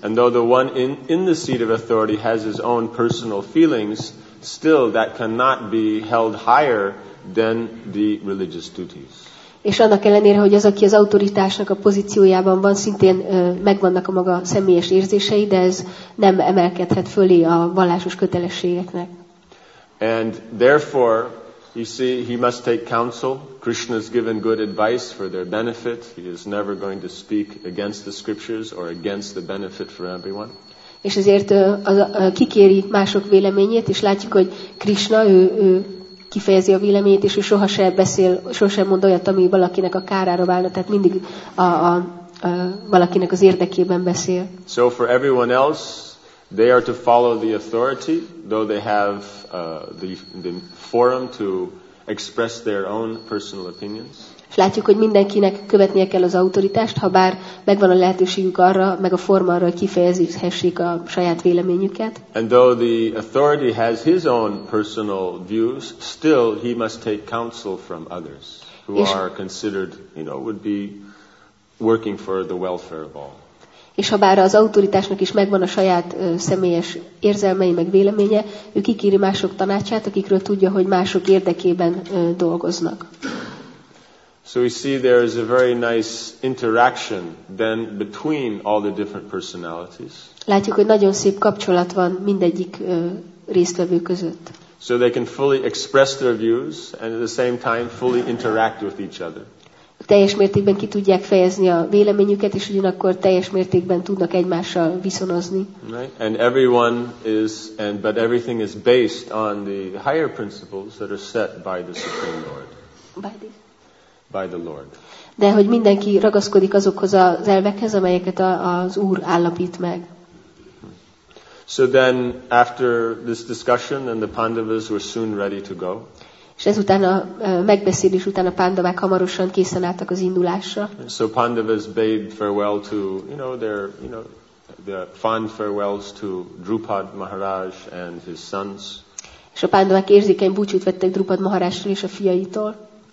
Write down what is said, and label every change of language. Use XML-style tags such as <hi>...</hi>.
<en>And though the one in the seat of authority has his own personal feelings, still that cannot be held higher than the religious duties.</en> <hu>És annak ellenére, hogy az, aki az autoritásnak a pozíciójában van, szintén megvannak a maga személyes érzései, de ez nem emelkedhet fölé a vallásos kötelességeknek.</hu> <en>And therefore, you see, he must take counsel. Krishna has given good advice for their benefit. He is never going to speak against the scriptures or against the benefit for everyone.</en> <hu>És ezért kikéri mások véleményét, és látjuk, hogy Krishna ő kifejezi a véleményét, és ő sohasem beszél, sohasem mond olyat, ami valakinek a kárára válna, tehát mindig a valakinek az érdekében beszél.</hu> <en>So for everyone else, they are to follow the authority, though they have the forum to express their own personal opinions.</en> <hu>És látjuk, hogy mindenkinek követnie kell az autoritást, ha bár megvan a lehetőségük arra, meg a forma arra, hogy kifejezhessék a saját véleményüket.</hu> <en>And though the authority has his own personal views, still he must take counsel from others who are considered, you know, would be working for the welfare of all.</en> <hu>És ha bár az autoritásnak is megvan a saját személyes érzelmei meg véleménye, ő kikéri mások tanácsát, akikről tudja, hogy mások érdekében dolgoznak.</hu> <en>So we see there is a very nice interaction then between all the different personalities.</en> <hu>Látjuk, hogy nagyon szép kapcsolat van mindegyik résztvevő között.</hu> <en>So they can fully express their views and at the same time fully interact with each other.</en> <hu>Teljes mértékben ki tudják fejezni a véleményüket, és ugyanakkor teljes mértékben tudnak egymással viszonozni.</hu> <en>Right. And everyone is, and but everything is based on the higher principles that are set by the Supreme Lord. By the Lord.</en> <hu>De hogy mindenki ragaszkodik azokhoz az elvekhez, amelyeket az Úr állapít meg.</hu> <en>So then, after this discussion, and the Pandavas were soon ready to go.</en> <hu>És ezután a megbeszélés után a pándavák hamarosan készen álltak az indulásra.</hu> <en>So Pandavas bade farewell to, you know, their fond farewells to Drupad Maharaj and his sons.</en> <hu>És a pándavák érzékeny búcsút vettek Drupad Maharajtól és a fiaitól.</hu>